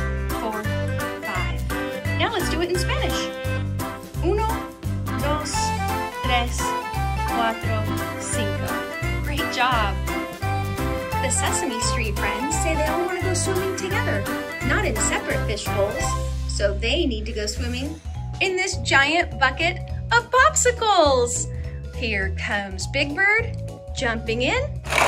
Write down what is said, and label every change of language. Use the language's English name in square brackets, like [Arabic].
[English] 1, 2, 3, 4, 5. Now let's do it in Spanish. [Spanish] Uno, dos, tres, cuatro, cinco. [English] Great job. The Sesame Street friends say they all want to go swimming together, not in separate fish bowls. So they need to go swimming in this giant bucket of popsicles. Here comes Big Bird jumping in.